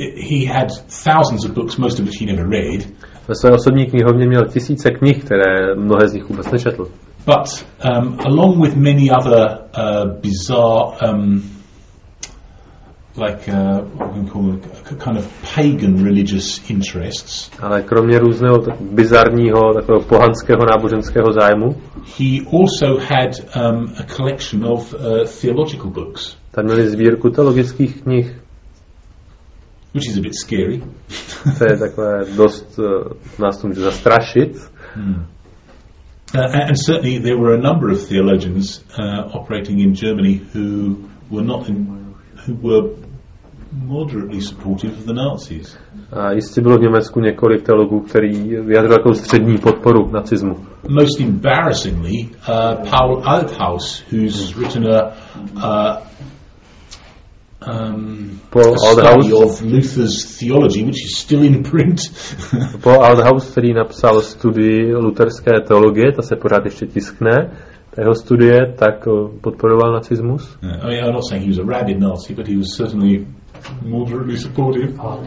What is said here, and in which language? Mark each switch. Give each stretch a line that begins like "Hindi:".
English: He had thousands of books, most of which he never read.
Czech: Ve své osobní knihovně měl tisíce knih, které mnohé z nich vůbec nečetl.
English: But along with many other bizarre, kind of pagan religious interests.
Czech: Ale kromě různého bizarního takového pohanského náboženského zájmu.
English: He also had a collection of theological books.
Czech: Tam měli sbírku teologických knih.
English: Which is a bit scary.
Czech: To je takové dost nás to může zastrašit.
English: And certainly there were a number of theologians operating in Germany who were moderately supportive of the Nazis.
Czech: A jistě bylo v Německu několik teologů, který vyjadřil jako střední podporu nacismu.
English: Most embarrassingly, Paul Althaus, who's written a study of Luther's theology, which is still in print.
Czech: Paul Althaus, který napsal studii luterské teologie, ta se pořád ještě tiskne, jeho studie, tak podporoval nacismus.
English: Yeah. I mean, I'm not saying he was a rabid Nazi, but he was certainly moderately supportive.